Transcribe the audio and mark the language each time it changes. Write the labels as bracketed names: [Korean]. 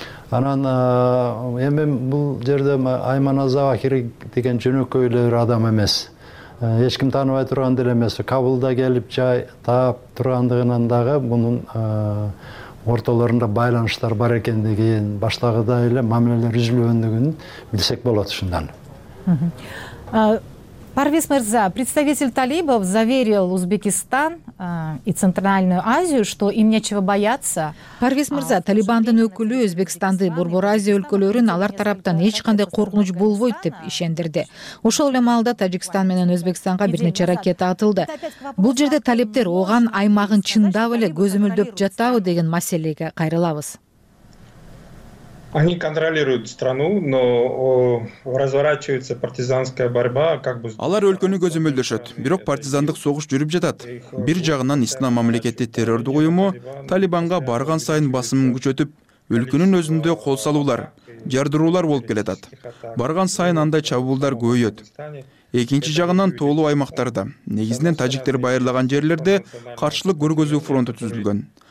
[Kyrgyz] Анан эми бул жерде Айман Завахири деген жөнөкөй эле бир адам эмес. Эч ким тааныбай турган деле эмес. Кабулда келип жай таап тургандыгынан дагы мунун ортолорунда байланыштар бар экендигин, баштагыдай эле мамилелер үзүлгөндүгүн билсек болот ушундан. [Russian] Парвиз мырза, представитель талибов заверил Узбекистан и Центральную Азию, что им нечего бояться. [Kyrgyz] Парвиз мырза, Талибандын өкүлү Өзбекстанды, Борбор Азия өлкөлөрүн алар тараптан эч кандай коркунуч болбойт деп ишендирди. Ошол эле маалда Тажикстан менен Өзбекстанга бир нече ракета атылды. Бул жерде талиптер ооган аймагын чындап эле көзөмөлдөп жатабы деген маселеге кайрылабыз. [Russian] Они контролируют страну, но разворачивается партизанская борьба, как бы. [Kyrgyz] Алар өлкөнү көзөмөлдөшөт, бирок партизандык согуш жүрүп жатат. Бир жагынан Ислам мамлекети террордук уюму Талибанга барган сайын басымын күчөтүп, өлкөнүн өзүндө кол салуулар, жардыруулар болуп келатат. Барган сайын андай чабуулдар көбөйөт. Экинчи жагынан тоолуу аймактарда, негизинен тажиктер байырлаган жерлерде каршылык көргөзүү фронту түзүлгөн.